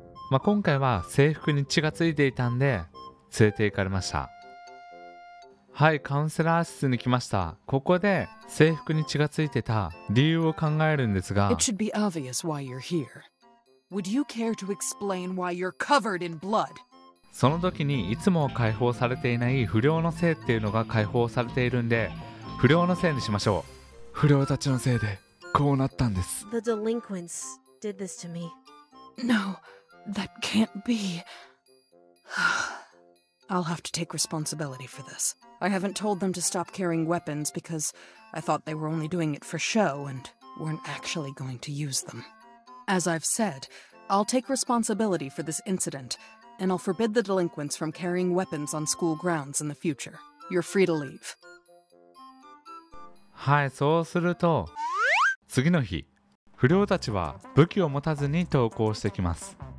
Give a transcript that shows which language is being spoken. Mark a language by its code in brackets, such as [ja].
[ja] まあ今回は制服に血がついていたんで連れて行かれました。はい、カウンセラー室に来ました。ここで制服に血がついてた理由を考えるんですが、 [en] It should be obvious why you're here. Would you care to explain why you're covered in blood? [ja] その時にいつも解放されていない不良のせいっていうのが解放されているんで、不良のせいにしましょう。不良たちのせいでこうなったんです。 [en] The delinquents did this to me. No, that can't be. I'll have to take responsibility for this. I haven't told them to stop carrying weapons because I thought they were only doing it for show and weren't actually going to use them. As I've said, I'll take responsibility for this incident and I'll forbid the delinquents from carrying weapons on school grounds in the future. You're free to leave. [ja] はい、そうすると次の日、不良たちは武器を持たずに登校してきます。